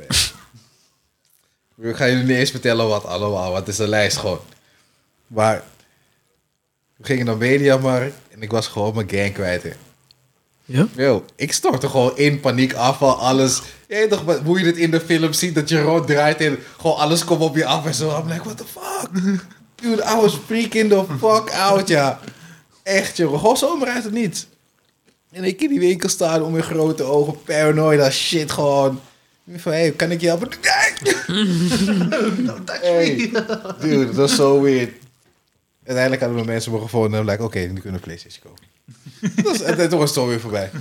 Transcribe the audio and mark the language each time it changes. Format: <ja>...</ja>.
<nl>Ik ga jullie niet eens vertellen wat allemaal. Wat is de lijst gewoon. Maar we gingen naar Mediamarkt. En ik was gewoon mijn gang kwijt. Hè. Ja? Yo, ik stortte gewoon in paniek af van alles. Je weet toch, hoe je het in de film ziet. Dat je rood draait. En gewoon alles komt op je af. En zo.</nl> <en>I'm like, what the fuck? Dude, I was freaking the fuck out, ja.</en> <nl>Echt, joh. Gewoon zomaar uit het niets. En ik in die winkel staan om mijn grote ogen, paranoid als shit, gewoon. Van, hey, kan ik je helpen? Nee!</nl> <en>Don't touch me.</en> <nl>Dude, dat was zo weird. Uiteindelijk hadden we mensen me gevonden en like, oké, nu kunnen we PlayStation kopen. Dat was toch weer voorbij.</nl>